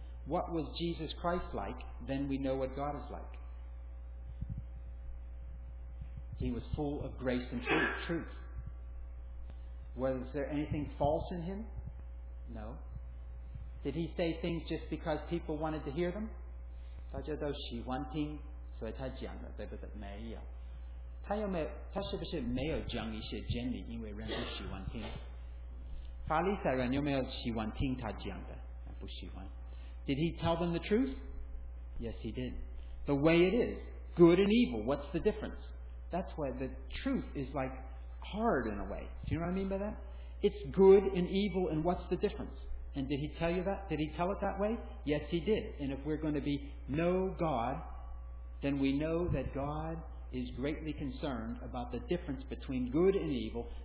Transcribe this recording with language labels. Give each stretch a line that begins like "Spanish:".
English: What was Jesus Christ like? Then we know what God is like. He was full of grace and truth. Was there anything false in him? No. Did he say things just because people wanted to hear them?
Chinese: 大家都喜欢听，所以他讲的，对不对？没有。他有没有？他是不是没有讲一些真理，因为人不喜欢听？法利赛人有没有喜欢听他讲的？不喜欢。
English: Did he tell them the truth? Yes, he did. The way it is, good and evil, what's the difference? That's why the truth is like hard in a way. Do you know what I mean by that? It's good and evil, and what's the difference? And did he tell you that? Did he tell it that way? Yes, he did. And if we're going to be know God, then we know that God is greatly concerned about the difference between good and evil.